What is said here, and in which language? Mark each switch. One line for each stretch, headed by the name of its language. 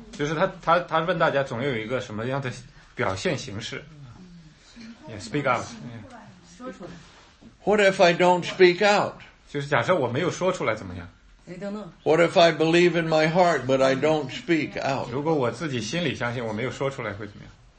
Chinese: 就是他问大家总有一个什么样的表现形式。
English: Yeah, speak out.
Chinese: 说出来。
English: What if I don't speak out?
Chinese: 就是假设我没有说出来怎么样。
English: What if I believe in my heart but I don't speak out?
Chinese: 如果我自己心里相信我没有说出来会怎么样？